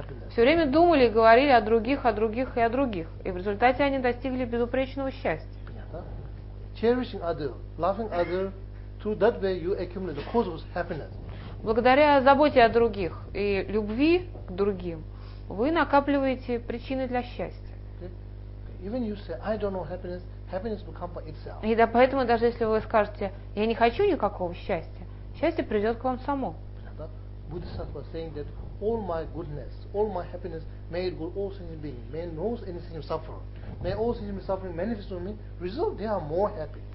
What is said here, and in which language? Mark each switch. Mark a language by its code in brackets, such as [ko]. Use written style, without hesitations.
[ru] Все время думали и говорили о других, о других и о других. И в результате они достигли безупречного счастья. [en] Cherishing other, loving other, through that way you accumulate the cosmos happiness. [ru] Благодаря заботе о других и любви к другим, вы накапливаете причины для счастья. [en] Even you say, I don't know happiness, happiness will come by itself. [ru] И да, поэтому даже если вы скажете, я не хочу никакого счастья, счастье придет к вам само. [en] Буддхисаттва saying that all my goodness, all my happiness, may it go all sentient being, may all sentient beings suffer. May all sentient suffering manifest on me, result they are more happy.